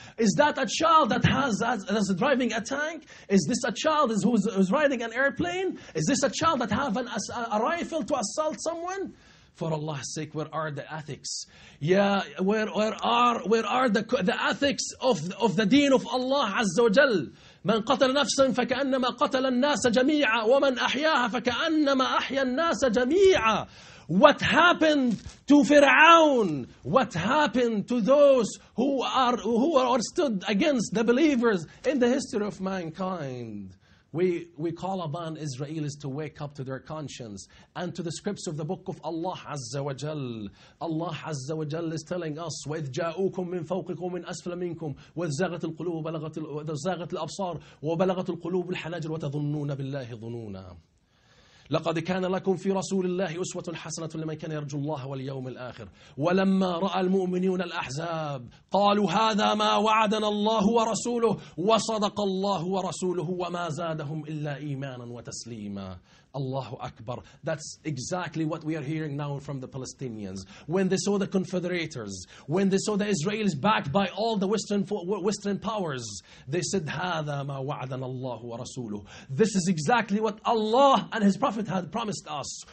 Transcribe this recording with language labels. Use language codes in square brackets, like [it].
[en] Is that a child that has driving a tank? Is this a child who's riding an airplane? Is this a child that have a rifle to assault someone? For Allah's sake, where are the ethics? Yeah, where are the ethics of the deen of Allah Azza wa Jal? [ar] من قتل نفسا فكأنما قتل الناس جميعا ومن أحياها فكأنما أحيا الناس جميعا [en] What happened to Fir'aun? What happened to those who are stood against the believers in the history of mankind? We call upon Israelis to wake up to their conscience and to the scripts of the book of Allah Azza wa Jal. Allah Azza wa Jal is telling us, [ar] وَإِذْ جَاءُوكُمْ مِنْ فَوْقِكُمْ مِنْ أَسْفَلَ مِنْكُمْ وَإِذْ زَاغَتِ الْقُلُوبُ وَبَلَغَتِ الْأَبْصَارُ وَبَلَغَتِ الْقُلُوبُ الْحَنَاجِرُ وَتَظُنُّونَ بِاللَّهِ ظُنُونَا لقد كان لكم في رسول الله أسوة حسنة لمن كان يرجو الله واليوم الآخر ولما رأى المؤمنون الأحزاب قالوا هذا ما وعدنا الله ورسوله وصدق الله ورسوله وما زادهم إلا إيمانا وتسليما Allahu Akbar. [en] That's exactly what we are hearing now from the Palestinians. When they saw the Confederators, when they saw the Israelis backed by all the Western powers, they said, [ar] هَذَا مَا وَعَدَنَا اللَّهُ وَرَسُولُهُ. [en] This is exactly what Allah and His Prophet had promised us.